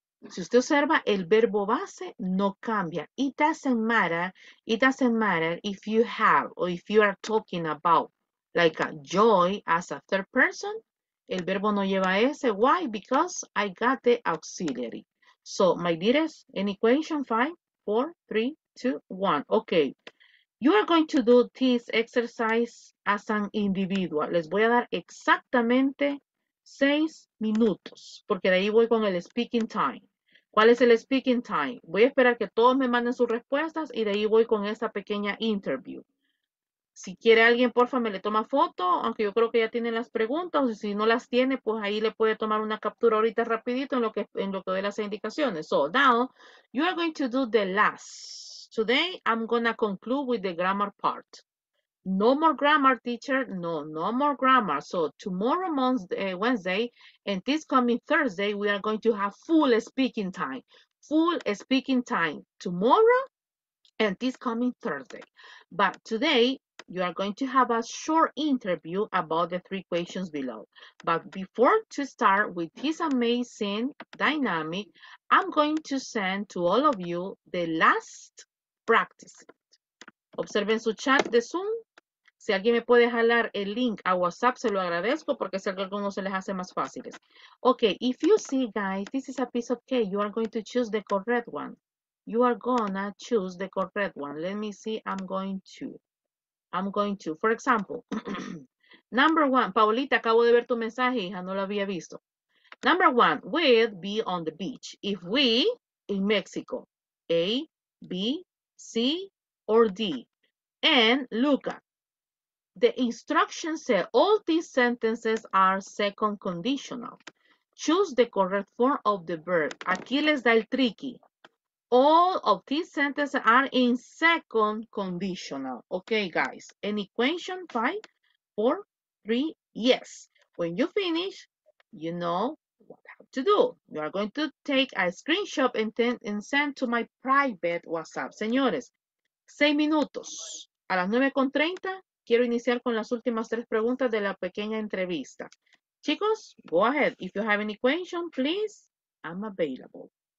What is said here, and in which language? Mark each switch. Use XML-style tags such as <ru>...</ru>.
<es>Si usted observa, el verbo base no cambia.</es> <en>It doesn't matter if you have or if you are talking about like a joy as a third person.</en> <es>El verbo no lleva ese.</es> <en>Why? Because I got the auxiliary. So, my dearest, any question? 5, 4, 3, 2, 1. Okay. You are going to do this exercise as an individual.</en> <es>Les voy a dar exactamente 6 minutos, porque de ahí voy con el speaking time. ¿Cuál es el speaking time? Voy a esperar que todos me manden sus respuestas y de ahí voy con esta pequeña interview. Si quiere alguien, porfa, me le toma foto, aunque yo creo que ya tiene las preguntas. Y si no las tiene, pues ahí le puede tomar una captura ahorita rapidito en lo que doy las indicaciones.</es> <en>So now, you are going to do the last. Today, I'm going to conclude with the grammar part. No more grammar, teacher. No more grammar. So tomorrow, Wednesday, and this coming Thursday, we are going to have full speaking time. Full speaking time tomorrow and this coming Thursday. But today, you are going to have a short interview about the three questions below. But before to start with this amazing dynamic, I'm going to send to all of you the last practice.</en> <es>Observen su chat de Zoom. Si alguien me puede jalar el link a WhatsApp, se lo agradezco porque sé que a algunos se les hace más fácil.</es> <en>Okay, if you see, guys, this is a piece of cake. You are going to choose the correct one. You are gonna choose the correct one. Let me see. I'm going to. For example, number one.</en> <es>Paulita, acabo de ver tu mensaje, hija. No lo había visto.</es> <en>Number one, we'll be on the beach. If we, in Mexico, A, B, C, or D. And Luca. The instructions say all these sentences are second conditional. Choose the correct form of the verb.</en> <es>Aquí les da el tricky.</es> <en>All of these sentences are in second conditional. Okay, guys. Any question? 5, 4, 3, yes. When you finish, you know what to do. You are going to take a screenshot and send to my private WhatsApp.</en> <es>Señores, 6 minutos. A las 9:30. Quiero iniciar con las últimas tres preguntas de la pequeña entrevista.</es> <en>Chicos, go ahead. If you have any question, please, I'm available.</en>